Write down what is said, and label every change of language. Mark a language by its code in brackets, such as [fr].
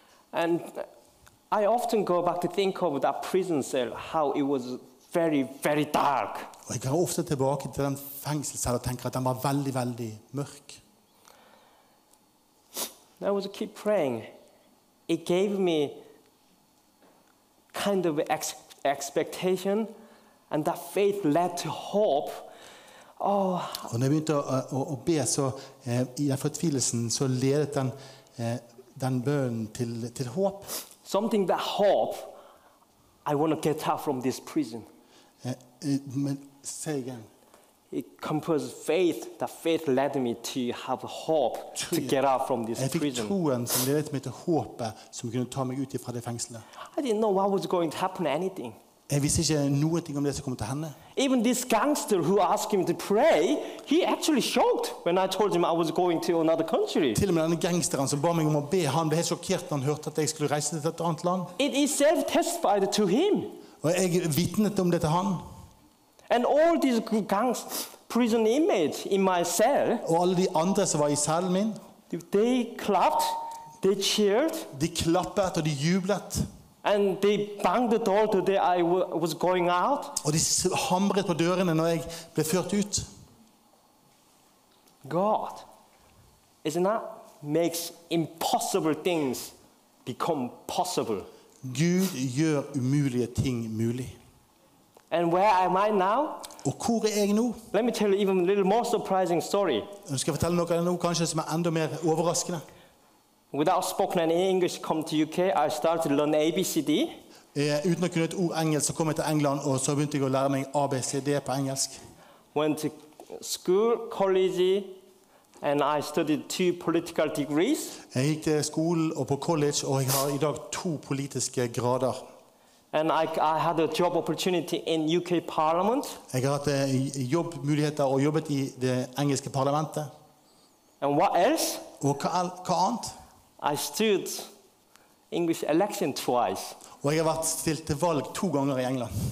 [en] And I often go back to think of that prison cell, how it was very, very dark. [sv] Och jag går ofta tillbaka till den fängelsecellen och tänker att den var väldigt, väldigt mörk. [en] I was keep praying. It gave me kind of expectation, and that faith led to hope. Oh. [sv] Och när jag började att be så I den förtvivlelsen så ledde den bön till hopp. [en] Something that hope. I want to get out from this prison. [sv] Men säg igen. [en] It compels faith. That faith led me to have hope to get out from this prison. [sv] Jag fick troen som ledde mig till hoppet som kunde ta mig ut ifrån det fängslet. [en] I didn't know what was going to happen. Anything. [sv] Jag visste inte någonting om det som kommer att hända. [en] Even this gangster who asked him to pray, he actually shocked when I told him I was going to another country. [sv] Till och med den gangsteren som bad mig om att be, han blev helt chockerad när han hörde att jag skulle resa till ett annat land. [en] It itself testified to him. [sv] Och jag vittnade om det till han. [en] And all these gangster prison inmates in my cell. [sv] Och alla de andra som var I cellen min. [en] They clapped, they cheered. [sv] De klappade och de jublade. [en] And they banged the door the day I was going out. [sv] Och de hamrade på dörren när jag blev fört ut. [en] God, isn't that makes impossible things become possible? [sv] Gud gör omöjliga ting möjliga. [en] And where am I now? [sv] Och var är jag nu? [en] Let me tell you even a little more surprising story. [sv] Jag ska berätta något nu kanske som är ännu mer överraskande. [en] Without spoken any English, come to UK. I started to learn ABCD. [sv] Utan att kunna ett ord engelska, kom jag till England och så började jag att lära mig ABCD på engelsk. [en] Went to school, college, and I studied two political degrees. [sv] Jag gick till skol och på college och jag har idag två politiska grader. [en] And I had a job opportunity in UK Parliament. [sv] Jag har haft jobbmöjligheter och jobbat I det engelska parlamentet. [en] And what else? [sv] Och vad annat? [en] I stood English election twice. [sv] Och jag har varit ställt till val två gånger I England.